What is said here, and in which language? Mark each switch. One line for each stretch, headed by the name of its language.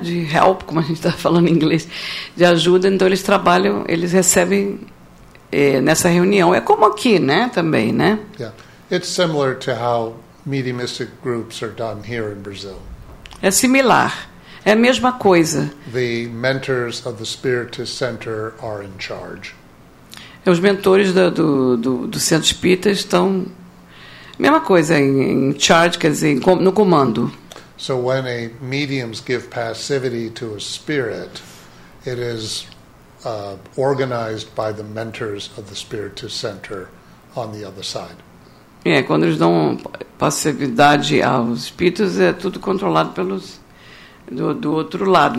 Portuguese: De help, como a gente está falando em inglês, de ajuda. Então eles trabalham, eles recebem nessa reunião. É como aqui, né? Também, né?
English: Yeah, it's similar to how mediumistic groups are done here in Brazil.
Portuguese: É similar. É a mesma coisa.
English: The mentors of the Spiritist Center are in charge.
Portuguese: Os mentores do Centro Espírita estão mesma coisa em charge, quer dizer, no comando.
English: So when a medium gives passivity to a spirit, it is organized by the mentors of the Spiritist Center on the other side.
Portuguese: É, quando eles dão passividade aos espíritos, é tudo controlado pelos do outro lado.